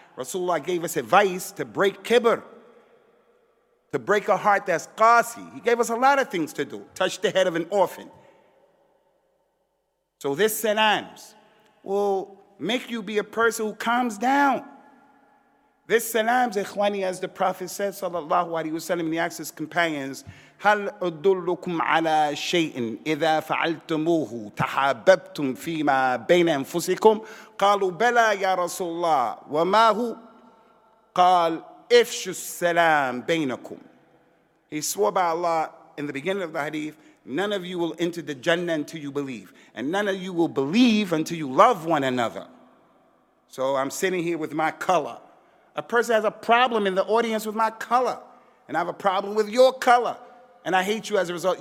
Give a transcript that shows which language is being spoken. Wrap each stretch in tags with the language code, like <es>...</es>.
<en>Rasulullah gave us advice to break kibr, to break a heart that's qasi. He gave us a lot of things to do. Touch the head of an orphan. So this salams will make you be a person who calms down. This salams, ikhwani, as the Prophet said, sallallahu alayhi wa sallam, he asked his companions,</en> <ar>هَلْ أُدُلُّكُمْ عَلَىٰ شَيْءٍ إِذَا فَعَلْتُمُوهُ تَحَابَبْتُمْ فِي مَا بَيْنَ أَنفُسِكُمْ قَالُوا بَلَىٰ يَا رَسُولَ اللَّهِ وَمَا هُوْ قَالْ إِفْشُ السَّلَامِ بَيْنَكُمْ.</ar> <en>He swore by Allah in the beginning of the hadith, none of you will enter the Jannah until you believe, and none of you will believe until you love one another. So I'm sitting here with my color. A person has a problem in the audience with my color, and I have a problem with your color. And I hate you as a result.</en>